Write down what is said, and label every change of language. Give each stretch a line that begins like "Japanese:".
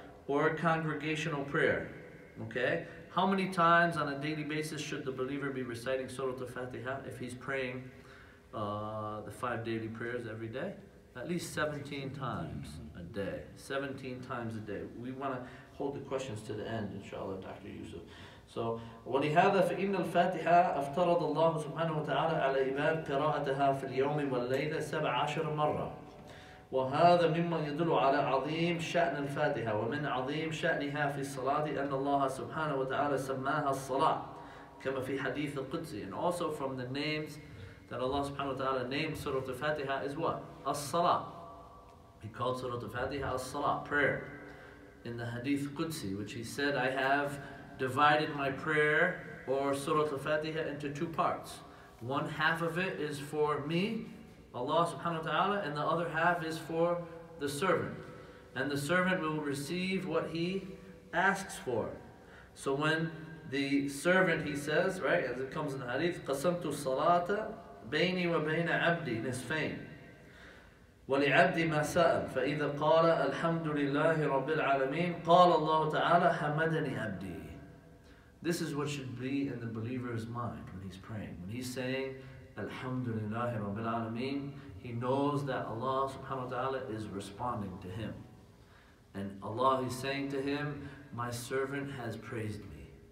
English: Or a congregational prayer, okay? How many times on a daily basis should the believer be reciting Surah Al-Fatiha if he's praying the five daily prayers every day? At least 17 times a day. 17 times a day. We want to hold the questions to the end, inshallah, Dr. Yusuf.
Arabic: So, وَلِهَذَا فَإِنَّ الْفَاتِحَا أَفْتَرَضَ اللَّهُ سُبْحَانَهُ وَتَعَالَى عَلَى إِبَادِ قِرَاءَتَهَا فِي الْيَوْمِ وَاللَّيْلَةِ 17 مَرَّةً وهذا مما يدل على عظيم شأن الفاتحة ومن عظيم شأنها في الصلاة أن الله سبحانه وتعالى سماها الصلاة كما في حديث القدسي.
English: And also from the names that Allah
Arabic: سبحانه وتعالى
English: named Surah Al-Fatiha is what?
Arabic: الصلاة.
English: He called Surah Al-Fatiha الصلاة, prayer. In the hadith القدسي, which he said, I have divided my prayer or Surah Al-Fatiha into two parts. One half of it is for me, Allah subhanahu wa ta'ala, and the other half is for the servant. And the servant will receive what he asks for. So when the servant, he says, right, as it comes in the hadith,
Arabic: قَسَمْتُ الصَّلَاةَ بَيْنِي وَبَيْنَ عَبْدِي نِسْفَيْنِ وَلِعَبْدِي مَا سَأَلْ فَإِذَا قَالَ الْحَمْدُ لِلَّهِ رَبِّ الْعَالَمِينَ قَالَ اللَّهُ تَعَالَى حَمَدَنِي عَبْدِي.
English: This is what should be in the believer's mind when he's praying. When he's saying, Alhamdulillahi Rabbil Alameen, he knows that Allah subhanahu wa ta'ala is responding to him. And Allah is saying to him, my servant has praised me.